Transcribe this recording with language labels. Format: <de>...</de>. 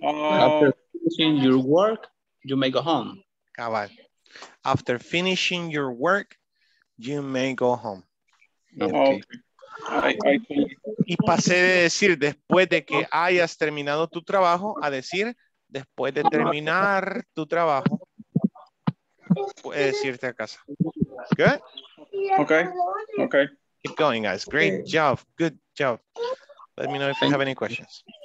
<en>After finishing your work, you may go home.</en> <es>Cabal.</es> <en>After finishing your work, you may go home. Okay.</en> <es>Y pasé de decir después de que hayas terminado tu trabajo a decir después de terminar tu trabajo puedes irte a casa.</es> <en>Good? Okay. Keep going, guys. Great job. Good job. Let me know if you have any questions.</en>